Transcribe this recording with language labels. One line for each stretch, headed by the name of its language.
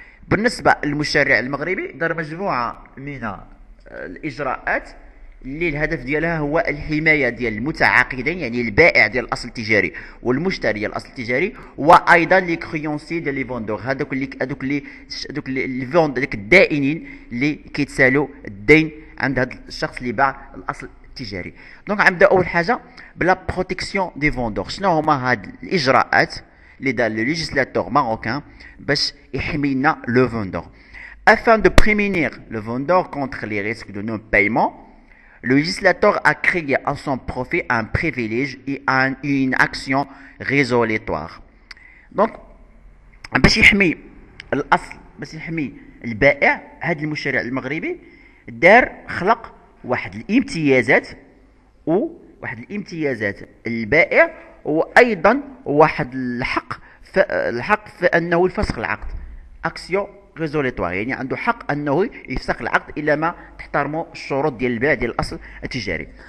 Arabic: بالنسبه للمشرع المغربي دار مجموعه من الاجراءات اللي الهدف ديالها هو الحمايه ديال المتعاقدين يعني البائع ديال الاصل التجاري والمشتري ديال الاصل التجاري وايضا لي كريونسي ديال لي فوندور هذوك لي فوند ديك الدائنين اللي كيتسالوا الدين عند هذا الشخص اللي باع الاصل التجاري. دونك عم بدأ اول حاجه بلا بروتيكسيون دي فوندور شنو هما هاد الاجراءات اللي دار
French: لو ليجيسلاتور ماروكان
Arabic: باش يحمي لنا لو فوندور
French: afin de prémunir le vendeur contre les risques de non paiement. Le législateur a créé à son profit un privilège et une action résolutoire.
Arabic: Donc باش يحمي الاصل باش يحمي البائع هذا المشرع المغربي دار خلق واحد الامتيازات وواحد الامتيازات البائع وايضا واحد الحق في انه يفسخ العقد اكسيو ريزوليتوار يعني عنده حق انه يفسخ العقد الا ما تحترموا الشروط ديال البيع ديال الاصل التجاري.